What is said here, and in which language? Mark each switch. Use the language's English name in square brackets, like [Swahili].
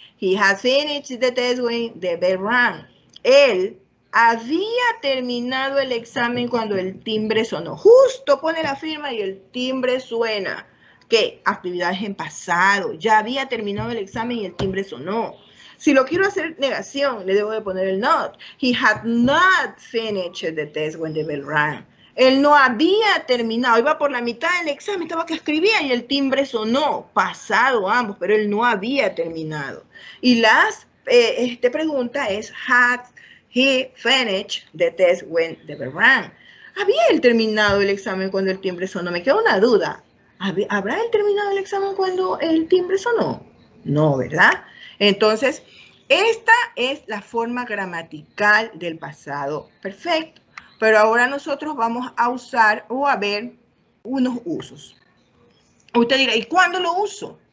[English] He had finished the test when the bell rang. [Spanish] Él había terminado el examen cuando el timbre sonó. Justo pone la firma y el timbre suena. ¿Qué? Actividades en pasado. Ya había terminado el examen y el timbre sonó. Si lo quiero hacer negación, le debo de poner el not. [English] He had not finished the test when the bell rang. [Spanish] Él no había terminado, iba por la mitad del examen, estaba que escribía y el timbre sonó, pasado ambos, pero él no había terminado. Y la pregunta es, [English] had he finished the test when the bell rang? [Spanish] ¿Había él terminado el examen cuando el timbre sonó? Me queda una duda. ¿Habrá él terminado el examen cuando el timbre sonó? No, ¿verdad? Entonces, esta es la forma gramatical del pasado perfecto. Pero ahora nosotros vamos a usar o a ver unos usos. Usted dirá, ¿y cuándo lo uso?